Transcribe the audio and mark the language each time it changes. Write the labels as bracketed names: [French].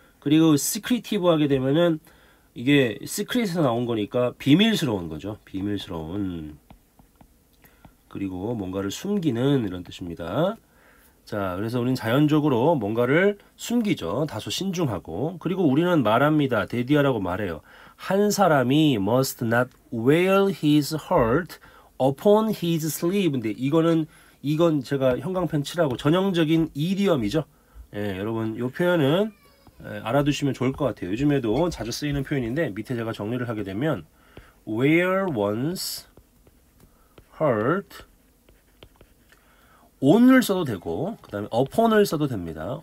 [Korean] 그리고 secretive 하게 되면은 이게 secret에서 나온 거니까 비밀스러운 거죠. 비밀스러운. 그리고 뭔가를 숨기는 이런 뜻입니다. 자, 그래서 우리는 자연적으로 뭔가를 숨기죠. 다소 신중하고. 그리고 우리는 말합니다. 데디아라고 말해요. 한 사람이 [English] must not wear his heart upon his sleeve. [Korean] 근데 이거는, 이건 제가 형광펜 칠하고 전형적인 이디엄이죠. 예, 여러분, 요 표현은 알아두시면 좋을 것 같아요. 요즘에도 자주 쓰이는 표현인데 밑에 제가 정리를 하게 되면 [English] wear one's heart on [Korean] 을 써도 되고 그 다음에 upon을 써도 됩니다.